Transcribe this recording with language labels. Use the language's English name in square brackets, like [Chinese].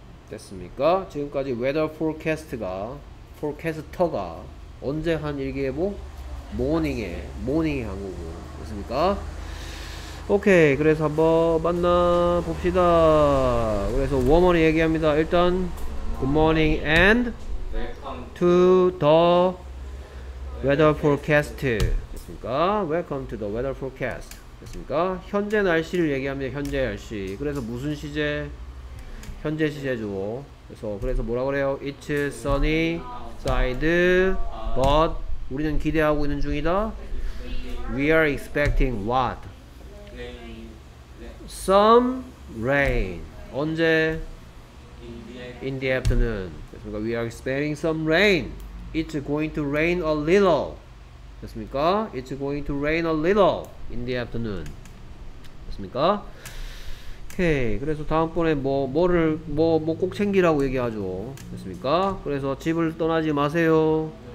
[Korean] 됐습니까? 지금까지 weather forecast가 forecaster가 언제 한 일기예보? morning에 한 거고. 됐습니까? 오케이. 그래서 한번 만나 봅시다. 그래서 워머니 얘기합니다. 일단 [English] good morning and to the weather forecast. [Korean] 됐습니까? [English] Welcome to the weather forecast. 됐습니까? [Korean] 현재 날씨를 얘기합니다. 현재 날씨. 그래서 무슨 시제? 현재 시제죠. 그래서 뭐라 그래요? [English] It's sunny outside, but [Korean] 우리는 기대하고 있는 중이다. [English] We are expecting what? Some rain. [Korean] 언제? [English] In the afternoon. [Korean] 됐습니까? [English] We are expecting some rain. It's going to rain a little. 됐습니까? It's going to rain a little in the afternoon. [Korean] 됐습니까? 오케이. 그래서 다음번에 뭐 꼭 챙기라고 얘기하죠. 됐습니까? 그래서 집을 떠나지 마세요.